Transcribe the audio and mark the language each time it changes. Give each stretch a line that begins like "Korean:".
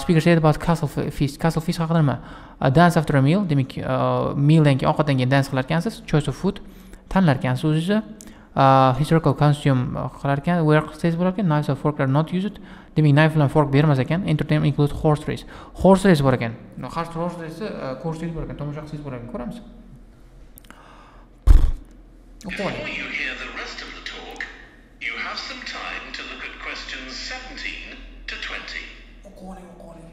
English: Speaker said about castle feast
Uzbek: haqida nima?
English: A dance after a meal,
Uzbek: demak mealdan keyin ovqatdan keyin dance qilar ekansiz,
English: choice of food
Uzbek: tanlar ekansiz o'zingizni. Historical costume qilar ekan, wear qilsangiz bo'lar ekan,
English: knife and fork are not used.
Uzbek: Demak, knife bilan fork bermas ekan.
English: Entertainment include horse race.
Uzbek: Horse race bor ekan. Horse race ko'rsangiz bo'lar ekan, tomosha qilsangiz bo'lar ekan, ko'ramiz.
English: Okay. You hear the rest of the talk. You have some time to look at questions 17 to 20.